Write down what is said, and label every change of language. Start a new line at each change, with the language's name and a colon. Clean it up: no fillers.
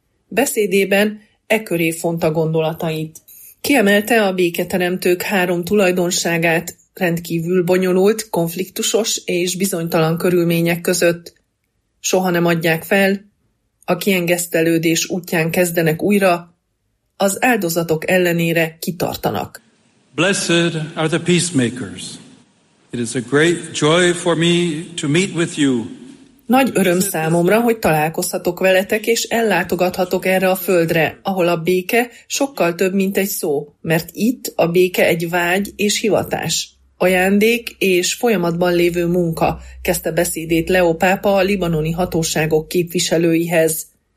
Hungarian: Beszédében e köré fonta gondolatait. Kiemelte a béketeremtők három tulajdonságát rendkívül bonyolult, konfliktusos és bizonytalan körülmények között. Soha nem adják fel, a kiengesztelődés útján kezdenek újra, az áldozatok ellenére kitartanak.
English: Blessed are the peacemakers. It is a great joy for me to meet with you.
Hungarian: Nagy öröm számomra, hogy találkozhatok veletek, és ellátogathatok erre a földre, ahol a béke sokkal több, mint egy szó, mert itt a béke egy vágy és hivatás. Ajándék és folyamatban lévő munka, kezdte beszédét Leó pápa a libanoni hatóságok képviselőihez.